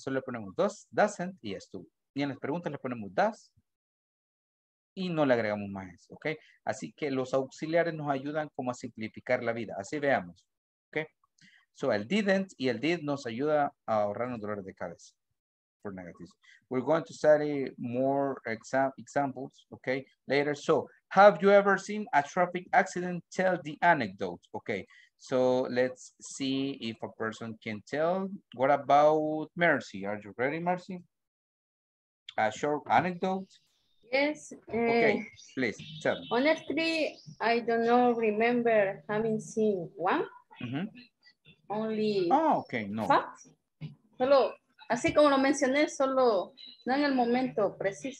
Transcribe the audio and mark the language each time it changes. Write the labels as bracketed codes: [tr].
[es] Solo le ponemos does, doesn't y es tú. Y en las preguntas le ponemos does. Y no le agregamos más S. ¿Ok? Así que los auxiliares nos ayudan como a simplificar la vida. Así veamos. ¿Ok? So el didn't y el did nos ayuda a ahorrarnos dolores de cabeza. [en] For negatives. We're going to study more examples, okay, later. So, have you ever seen a traffic accident? Tell the anecdote. Okay, So let's see if a person can tell. What about Mercy? Are you ready, Mercy? A short anecdote? Yes. Okay, please tell. Honestly, I don't know, remember having seen one. Mm-hmm. Only. Oh, okay, no. [es] Solo, así como lo mencioné, solo, no en el momento preciso.